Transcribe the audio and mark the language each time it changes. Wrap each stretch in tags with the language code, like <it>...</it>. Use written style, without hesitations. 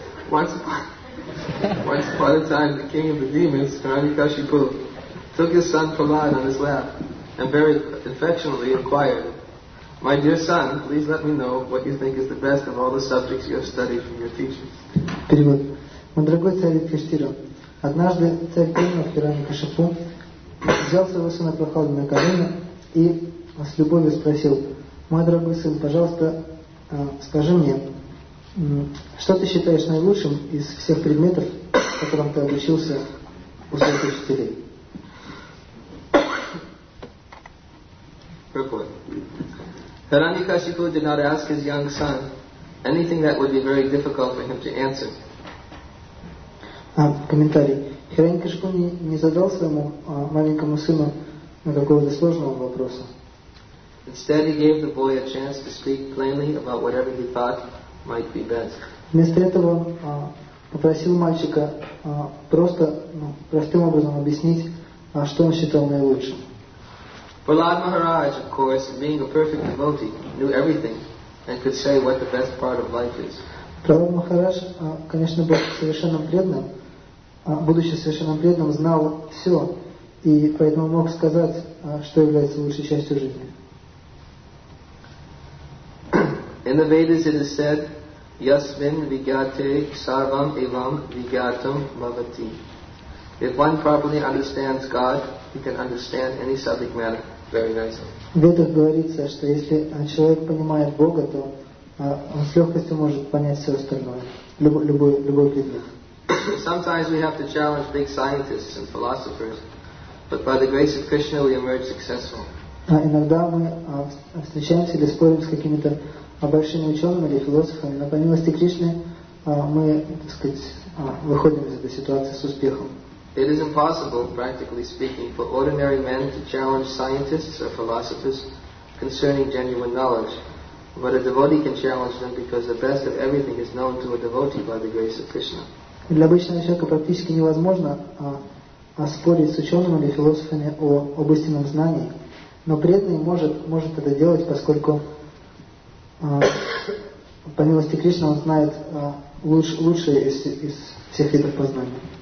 <en>Once upon a time, the king of the demons, Hiranyakashipu, took his son Prahlad on his lap and very affectionately inquired, "My dear son, please let me know what you think is the best of all the subjects you have studied from your teachers."</en> <ru>Перевод. Мой дорогой царь Юдхиштхира, однажды царь Кришна Хиранякашипу взял своего сына Прохлада на колени и с любовью спросил, "Мой дорогой сын, пожалуйста, скажи мне, что ты считаешь наилучшим из всех предметов, которым ты обучился у своих учителей?"</ru> <en>Hiranyakashipu did not ask his young son anything that would be very difficult for him to answer.</en> <ru>Комментарий. Hiranyakashipu не задал своему маленькому сыну какого-то сложного вопроса.</ru> <en>Instead, he gave the boy a chance to speak plainly about whatever he thought might be best.</en> <ru>Вместо этого попросил мальчика просто простым образом объяснить, что он считал наилучшим.</ru> <en>Prahlad Maharaj, of course, being a perfect devotee, knew everything and could say what the best part of life is.</en> <ru>Prahlad Maharaj, конечно, был совершенно преданным, будучи совершенно преданным, знал все и поэтому мог сказать, что является лучшей частью жизни.</ru> <en>In the Vedas it is said,</en> <sa>"Yasmin vigyate sarvam evam vigyatam bhavati."</sa> <en>If one properly understands God, he can understand any subject matter.</en> <ru>В Ведах говорится, что если человек понимает Бога, то он с легкостью может понять все остальное, любой предмет.</ru> <en>Sometimes we have to challenge big scientists and philosophers, but by the grace of Krishna we emerge successful.</en> <ru>Иногда мы встречаемся или спорим с какими-то большими учеными или философами, но по милости Кришны мы, так сказать, выходим из этой ситуации с успехом.</ru> <en>It is impossible, practically speaking, for ordinary men to challenge scientists or philosophers concerning genuine knowledge. But a devotee can challenge them because the best of everything is known to a devotee by the grace of Krishna.</en> <ru>Для обычного человека практически невозможно спорить с учеными или философами об истинном знании. Но преданный может это делать, поскольку по милости Кришны он знает лучшее из всех видов познания.</ru>